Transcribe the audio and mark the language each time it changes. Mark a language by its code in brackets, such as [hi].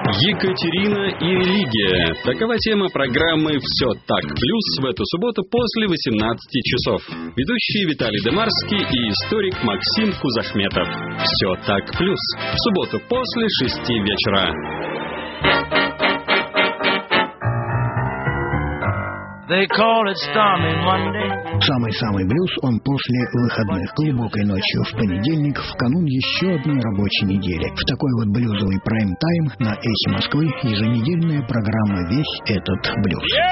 [ru] Екатерина и религия. Такова тема программы «Все так блюз» в эту субботу после 18 часов. Ведущие Виталий Демарский и историк Максим Кузахметов. «Все так блюз» в субботу после 6 вечера. [en] They call it stormy Monday. [ru] Самый-самый блюз, он после выходных, глубокой ночью в понедельник, в канун еще одной рабочей недели. В такой вот блюзовый прайм-тайм на «Эхе Москвы» еженедельная программа «Весь этот блюз».